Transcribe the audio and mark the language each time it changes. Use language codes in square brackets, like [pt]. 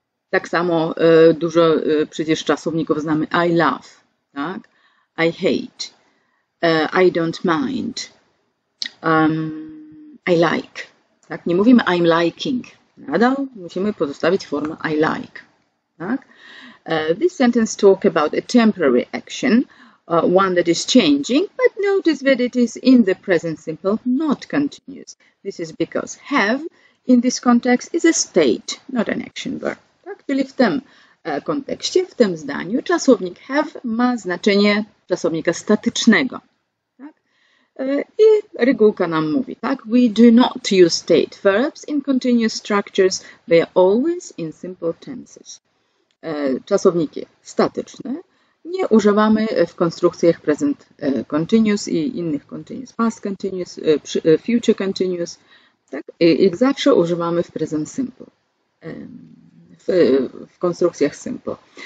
[pl] Tak samo dużo przecież czasowników znamy. [en] I love, tak? I hate, I don't mind, I like. Tak? [pl] Nie mówimy [en] I'm liking. [pl] Nadal musimy pozostawić formę [en] I like. [pl] Tak? [en] This sentence talks about a temporary action, one that is changing, but notice that it is in the present simple, not continuous. This is because have in this context is a state, not an action verb. [pl] Tak? Czyli w tym kontekście, w tym zdaniu, czasownik have ma znaczenie czasownika statycznego. Tak? I regułka nam mówi, tak? [en] We do not use state verbs in continuous structures, they are always in simple tenses. [pl] Czasowniki statyczne nie używamy w konstrukcjach present continuous i innych continuous, past continuous, future continuous. Tak? I zawsze używamy w present simple, w konstrukcjach simple.